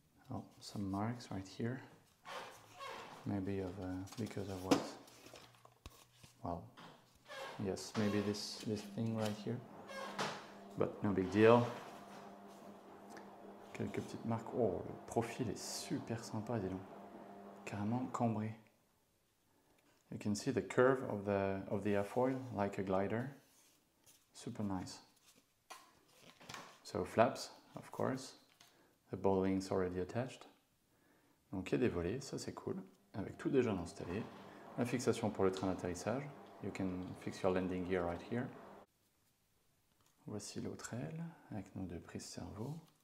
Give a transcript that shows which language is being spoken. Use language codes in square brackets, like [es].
[en] Oh, some marks right here. Maybe of because of what? Well, yes, maybe this thing right here. But no big deal. [fr] Quelques petites marques. Oh, le profil est super sympa, dis donc. Carrément cambré. [en] You can see the curve of the airfoil, like a glider. Super nice. So flaps, of course. The ball wings already attached. [fr] Donc il y a des volets, ça c'est cool. Avec tout déjà installé. La fixation pour le train d'atterrissage. [en] You can fix your landing gear right here. [fr] Voici l'autre aile, avec nos deux prises servo.